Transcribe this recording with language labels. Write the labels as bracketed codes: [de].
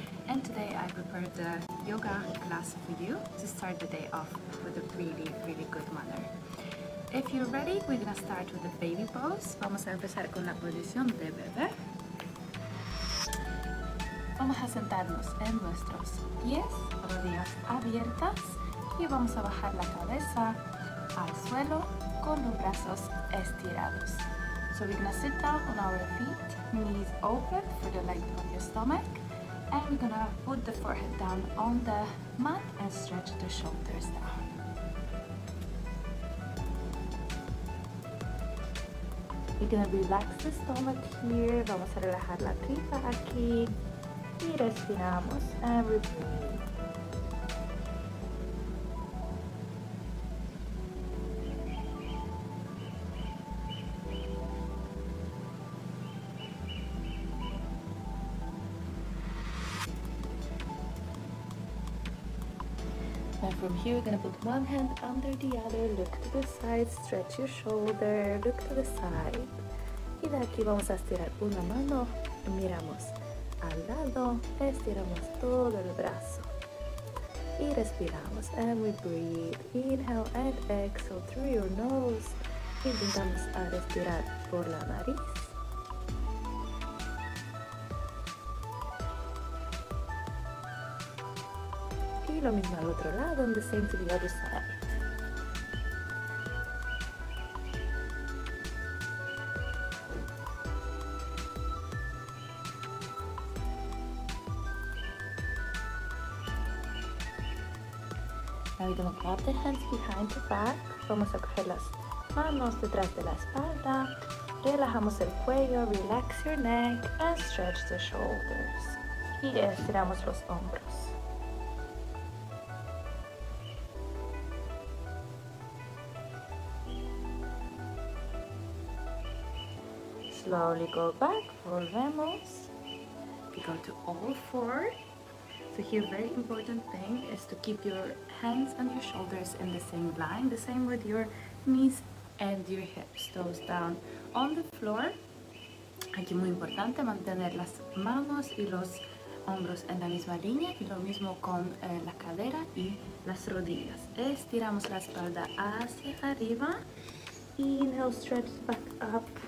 [en] And today I prepared a yoga class for you to start the day off with a really, really good manner. If you're ready, we're gonna start with the baby pose. [es] Vamos a empezar con la posición de bebé. Vamos a sentarnos en nuestros pies, rodillas abiertas, y vamos a bajar la cabeza al suelo con los brazos estirados. [en] So we're gonna sit down on our feet, knees open for the length of your stomach, and we're gonna put the forehead down on the mat and stretch the shoulders down. We're gonna relax the stomach here. [es] Vamos a relajar la tripa aquí. Y respiramos [en] and we breathe. And from here, we're gonna put one hand under the other, look to the side, stretch your shoulder, look to the side. [es] Y de aquí vamos a estirar una mano, miramos al lado, estiramos todo el brazo. Y respiramos, [en] and we breathe. Inhale and exhale through your nose. [es] Y intentamos a respirar por la nariz. Lo mismo al otro lado, [en] and the same to the other side. Now we're going to grab the hands behind the back. [es] Vamos a coger las manos detrás de la espalda. Relajamos el cuello, [en] relax your neck, and stretch the shoulders. [es] Y estiramos los hombros. [en] Slowly go back, [es] volvemos. [en] We go to all four. So here, very important thing is to keep your hands and your shoulders in the same line. The same with your knees and your hips. Toes down on the floor. [es] Aquí muy importante mantener las manos y los hombros en la misma línea. Y lo mismo con la cadera y las rodillas. Estiramos la espalda hacia arriba. [en] Inhale, stretch back up.